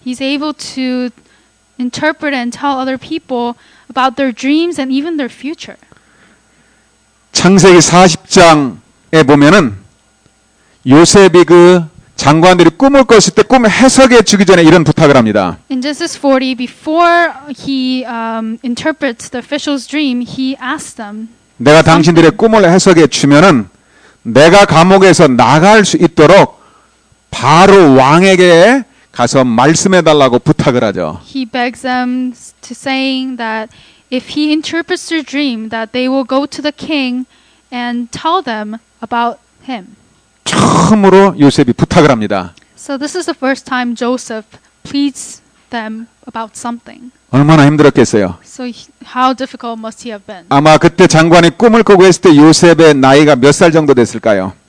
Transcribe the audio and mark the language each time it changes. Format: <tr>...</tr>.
<en>He's able to interpret and tell other people about their dreams and even their future.</en> <ko>창세기 40장에 보면은 요셉이 그 장관들이 꿈을 꿨을 때 꿈을 해석해 주기 전에 이런 부탁을 합니다.</ko> <en>In Genesis 40, before he interprets the official's dream, he asked them.</en> <ko>내가 당신들의 꿈을 해석해 주면은 내가 감옥에서 나갈 수 있도록 바로 왕에게 가서 말씀해 달라고 부탁을 하죠.</ko> <en>He begs them to saying that if he interprets their dream that they will go to the king and tell them about him.</en> <ko>처음으로 요셉이 부탁을 합니다.</ko> <en>So this is the first time Joseph pleads them about something.</en> <ko>얼마나 힘들었겠어요.</ko> <en>So how difficult must he have been?</en> <ko>아마 그때 장관이 꿈을 꾸고 했을 때 요셉의 나이가 몇 살 정도 됐을까요?</ko>